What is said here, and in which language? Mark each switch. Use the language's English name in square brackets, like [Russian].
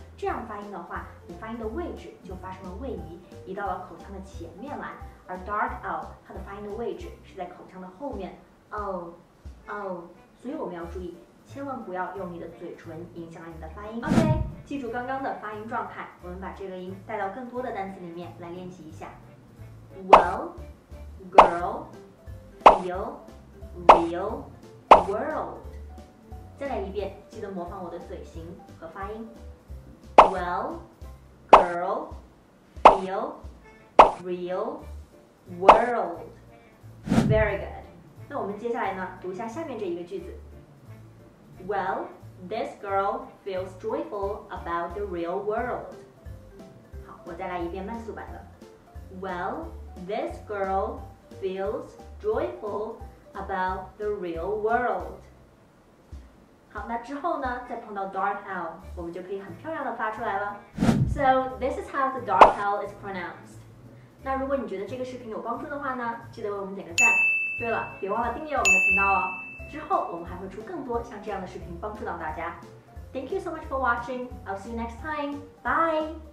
[Chinese] 这样发音的话，你发音的位置就发生了位移，移到了口腔的前面来。而 dark L 它的发音的位置是在口腔的后面，所以我们要注意，千万不要用你的嘴唇影响了你的发音。OK， 记住刚刚的发音状态，我们把这个音带到更多的单词里面来练习一下。 [English] Well, girl, feel, real, world. [Chinese] 再来一遍，记得模仿我的嘴型和发音。 [English] Well, girl, feel, real, world. Very good. [Chinese] 那我们接下来呢，读一下下面这一个句子。 [English] Well, this girl feels joyful about the real world. [Chinese] 好，我再来一遍慢速版的。 [English] Well,This girl feels joyful about the real world. [Chinese] 好，那之后呢，再碰到 dark L， 我们就可以很漂亮的发出来了。 [English] So this is how the dark L is pronounced. [Chinese] 那如果你觉得这个视频有帮助的话呢，记得为我们点个赞。对了，别忘了订阅我们的频道哦。之后我们还会出更多像这样的视频帮助到大家。 [English] Thank you so much for watching. I'll see you next time. Bye.